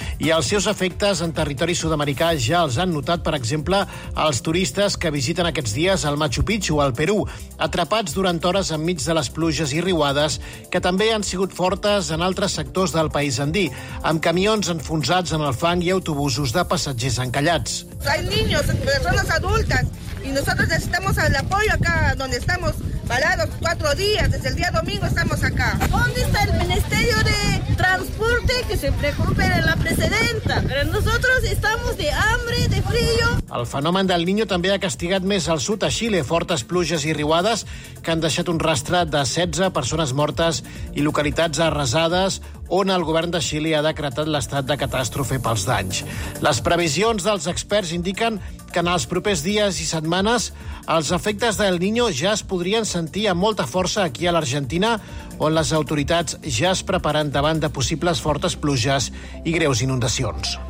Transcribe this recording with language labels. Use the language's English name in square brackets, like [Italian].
[Catalan] I els seus efectes en territori sud-americà ja els han notat, per exemple, els turistes que visiten aquests dies el Machu Picchu, al Perú, atrapats durant hores enmig de les pluges i riuades, que també han sigut fortes en altres sectors del país andí, amb camions enfonsats en el fang i autobusos de passatgers encallats. [Spanish] Hay niños, personas adultas, y nosotros necesitamos el apoyo acá donde estamos parados 4 días, desde el día domingo estamos acá. ¿Dónde está el Ministerio de Transporte que se preocupe de la presidenta? Pero nosotros estamos de hambre, de frío. [Catalan] El fenomen del Niño també ha castigat més al sud, a Xile, fortes pluges i riuades que han deixat un rastre de 16 persones mortes i localitats arrasades, on el govern de Xile ha decretat l'estat de catàstrofe pels danys. Les previsions dels experts indiquen que en els propers dies i setmanes els efectes del Niño ja es podrien sentir amb molta força aquí a l'Argentina, on les autoritats ja es preparen davant de possibles fortes pluges i greus inundacions.